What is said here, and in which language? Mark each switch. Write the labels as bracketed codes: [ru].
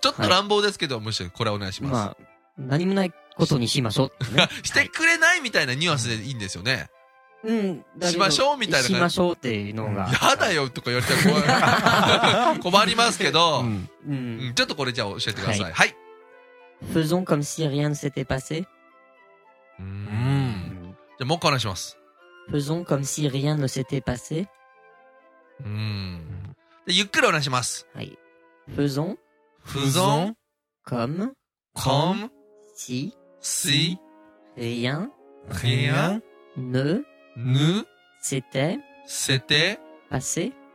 [ja] ちょっと乱暴ですけど、はい、虫、これお願いします。まあ、何もないことにしましょうって、ね。してくれないみたいなニュアンスでいいんですよね。うん。しましょうみたいな。しましょうっていうのが。やだよとか言われちゃう。困りますけど、うんうん、うん。ちょっとこれじゃあ教えてください。はい。はい、 [fr] faisons comme si rien ne s'était passé. [ja] じゃあもう一回お願いします。 [fr] faisons comme si rien ne s'était passé. [ja] じゃあゆっくりお願いします。はい。 [fr] faisons. faisons. comme. comme. si. si. rien. rien. ne. ne. s'était. s'était. passé.